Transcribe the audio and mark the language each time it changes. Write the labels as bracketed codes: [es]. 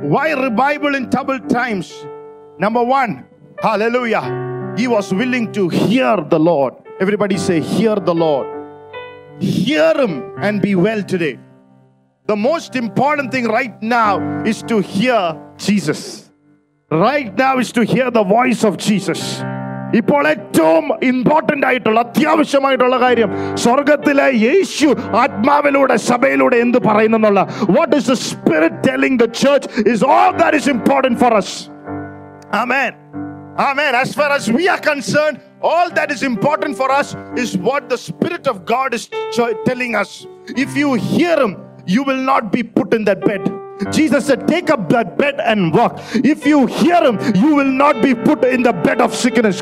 [en] Why revival in troubled times? Number one, hallelujah, he was willing to hear the Lord. Everybody say, hear the Lord. Hear him and be well today. The most important thing right now is to hear Jesus. Right now is to hear the voice of Jesus. [ml] ഇപ്പോൾ ഏറ്റവും important ആയിട്ടുള്ള അത്യാവശ്യമായിട്ടുള്ള കാര്യം സ്വർഗത്തിലെ യേശു ആത്മാവിലൂടെ സഭയിലൂടെ എന്ത് പറയുന്നു എന്നുള്ള [en] what is the spirit telling the church is all that is important for us. Amen. Amen. As far as we are concerned, all that is important for us is what the spirit of God is telling us. If you hear him, you will not be put in that bed. Jesus said, take up that bed and walk. If you hear him, you will not be put in the bed of sickness.